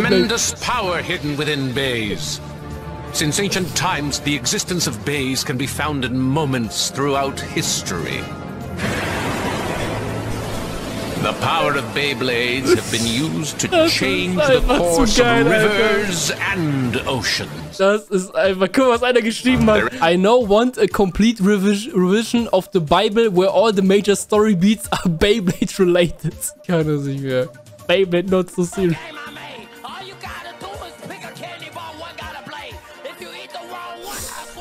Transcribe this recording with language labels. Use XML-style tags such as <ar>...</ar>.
<en>Tremendous power hidden within bays. Since ancient times, the existence of bays can be found in moments throughout history. The power of Beyblades have been used to change the course of rivers and oceans.</en> <de>Das ist einfach, guck mal, was einer geschrieben hat.</de> <en>I now want a complete revision of the Bible where all the major story beats are Beyblade related.</en> <de>Kann das nicht mehr. Beyblade</de> <en>not so serious. Okay, all you gotta do is pick a candy bar, one gotta play. If you eat the wrong one, I'm</en>